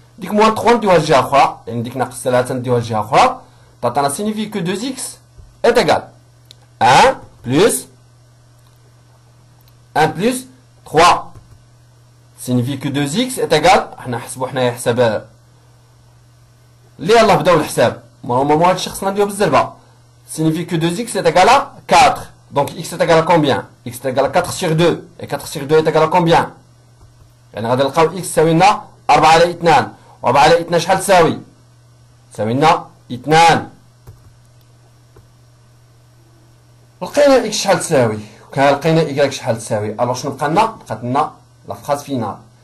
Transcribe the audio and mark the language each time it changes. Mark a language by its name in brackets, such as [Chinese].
[Arabic] ديك موان 3 نديوها لجهه اخرى يعني ديك ناقص 3 نديوها لجهه اخرى تعطينا سينيفي كو 2 x ايتقال 1 بلس 1 بلس 3 [French] signifie que 2x est égal [Arabic] احنا نحسبوا حنايا حساب اللي يلاه بداو الحساب نورمالمون هاد الشيء خصنا نديرو بالزربه. [French] signifie que 2x est égal à 4 donc x est égal à combien? x est égal à 4 sur 2 et 4 sur 2 est égal à combien? [Arabic] يعني غادي نلقاو x تساوي لنا 4 على 2 و 4 على 2 شحال تساوي؟ تساوي لنا 2. لقينا x شحال تساوي كان لقينا y شحال تساوي. الوغ شنو بقى لنا؟ بقات لنا لا فراز فينال.